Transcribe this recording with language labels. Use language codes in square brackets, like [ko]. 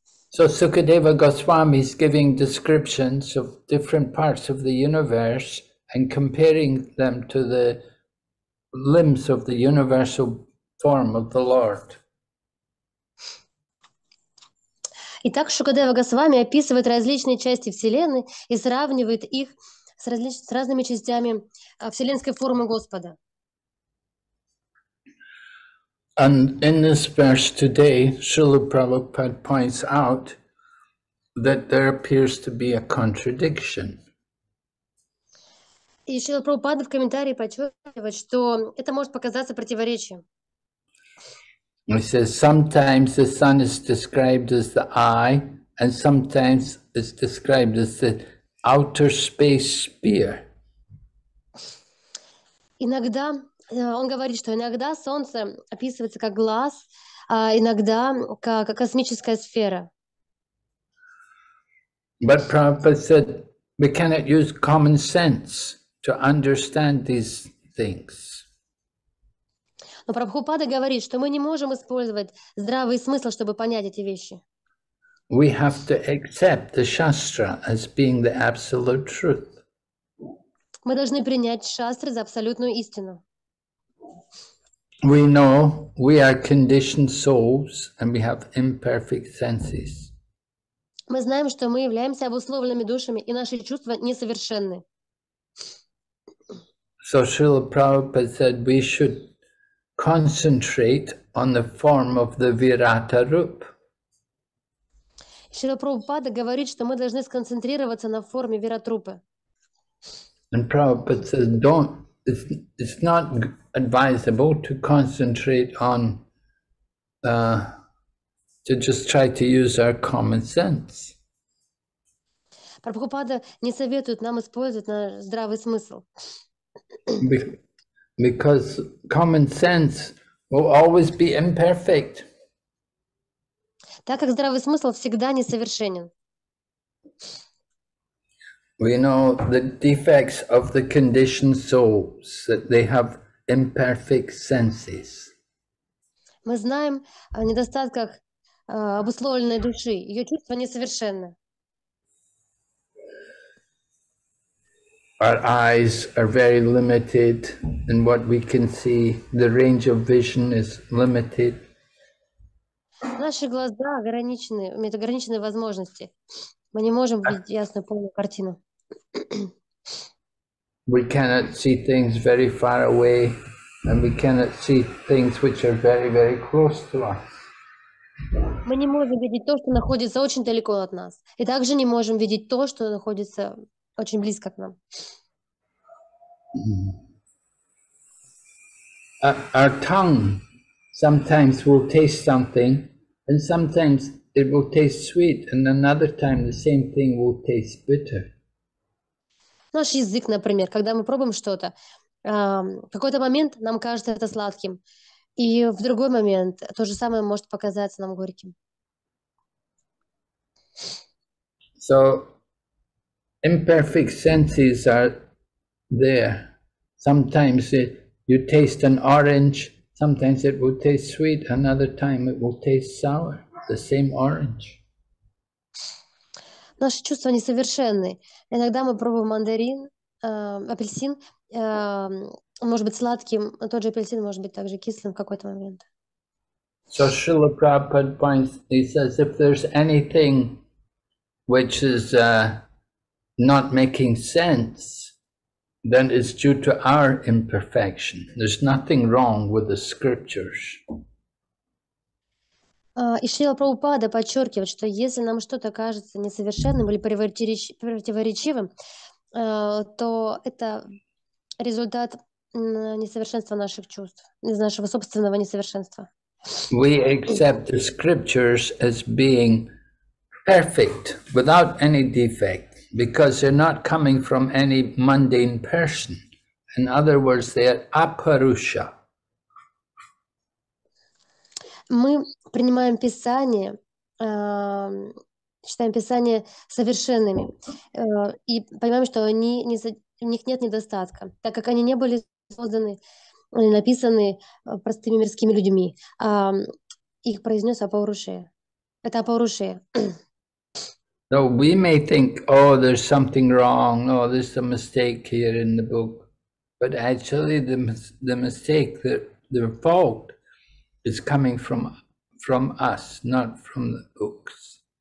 [en] So Sukadeva Goswami is giving descriptions of different parts of the universe and comparing them to the limbs of the universal form of the Lord. [ru] Итак, Шукадева Госвами описывает различные части Вселенной и сравнивает их с разными частями вселенской формы Господа. [en] And in this verse today, Srila Prabhupada points out that there appears to be a contradiction. [ru] И Шрила Прабхупада в комментарии подчеркивает, что это может показаться противоречием. [en] He says, sometimes the sun is described as the eye, and sometimes it's described as the outer space sphere. [ru] Иногда, он говорит, что иногда солнце описывается как глаз, а иногда как космическая сфера. [en] But Prabhupada said, we cannot use common sense to understand these things. [ru] Но Прабхупада говорит, что мы не можем использовать здравый смысл, чтобы понять эти вещи. [en] We have to accept the Shastra as being the absolute truth. [ru] Мы должны принять Шастры за абсолютную истину. [en] We know we are conditioned souls and we have imperfect senses. [ru] Мы знаем, что мы являемся обусловленными душами, и наши чувства несовершенны. [en] So Srila Prabhupada said we should concentrate on the form of the Virata Rup. [ru] Шрила Прабхупада говорит, что мы должны сконцентрироваться на форме Виратрупы. [en] And Prabhupada says, it's not advisable to concentrate on, to just try to use our common sense. [ru] Прабхупада не советует нам использовать наш здравый смысл. [en] Because common sense will always be imperfect. [ru] Так как здравый смысл всегда несовершенен. [en] We know the defects of the conditioned souls, that they have imperfect senses. [ru] Мы знаем о недостатках обусловленной души, ее чувства несовершенны. [en] Our eyes are very limited in what we can see. The range of vision is limited. [ru] Наши глаза ограничены, у меня ограничены возможности. Мы не можем видеть ясную полную картину. [en] We cannot see things very far away, and we cannot see things which are very, very close to us. [ru] Мы не можем видеть то, что находится очень далеко от нас, и также не можем видеть то, что находится очень близко к нам. [en] Our tongue sometimes will taste something, and sometimes it will taste sweet, and another time the same thing will taste bitter. [ru] Наш язык, например, когда мы пробуем что-то, в какой-то момент нам кажется это сладким, и в другой момент то же самое может показаться нам горьким. [en] So, imperfect senses are there. Sometimes you taste an orange, sometimes it will taste sweet, another time it will taste sour, the same orange. [ru] Наши чувства несовершенны. Иногда мы пробуем мандарин, апельсин, может быть сладким, но тот же апельсин может быть также кислым в какой-то момент. [en] So Srila Prabhupada points, he says, if there's anything which is not making sense, then it's due to our imperfection. There's nothing wrong with the scriptures. [ru] И Шрила Прабхупада подчеркивает, что если нам что-то кажется несовершенным или противоречивым, то это результат несовершенства наших чувств, из нашего собственного несовершенства. [en] We accept the scriptures as being perfect, without any defect, because they're not coming from any mundane person. In other words, they are apurusha. [ru] Мы принимаем Писание, читаем Писание совершенными, и понимаем, что они не, у них нет недостатка, так как они не были созданы, написаны простыми мирскими людьми. Их произнес Апаурушея. Это Апаурушея. [en] So we may think, oh, there's something wrong, oh, there's a mistake here in the book. But actually the mistake, the fault, is coming from us, not from the books.